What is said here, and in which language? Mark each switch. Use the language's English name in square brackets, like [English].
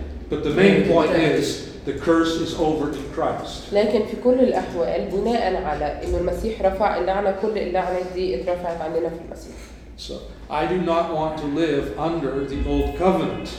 [English] But the main point is the curse is over in Christ. [Arabic] لكن في كل الأحوال بناء على إنه المسيح رفع اللعنة كل اللعنة دي اترفعت عندنا في المسيح. [English] So I do not want to live under the old covenant.